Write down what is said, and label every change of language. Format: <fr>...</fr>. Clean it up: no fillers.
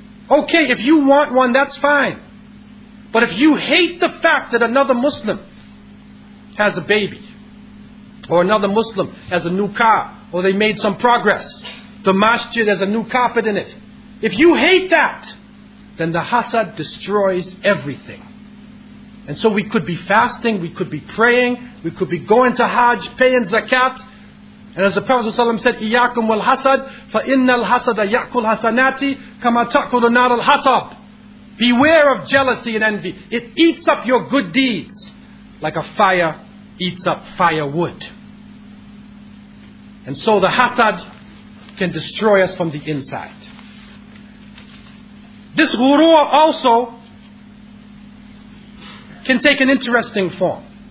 <en>Okay, if you want one, that's fine. But if you hate the fact that another Muslim has a baby, or another Muslim has a new car, or they made some progress, the masjid has a new carpet in it. If you hate that, then the hasad destroys everything. And so we could be fasting, we could be praying, we could be going to Hajj, paying zakat. And as the Prophet ﷺ said,</en> <ar>إِيَّاكُمْ وَالْحَسَدْ فَإِنَّ الْحَسَدَ يَأْكُلْ حَسَنَاتِ كَمَا تَأْكُلُ نَارَ الْحَطَبْ.</ar> <en>Beware of jealousy and envy. It eats up your good deeds like a fire eats up firewood. And so the hasad can destroy us from the inside. This ghurur also can take an interesting form.</en>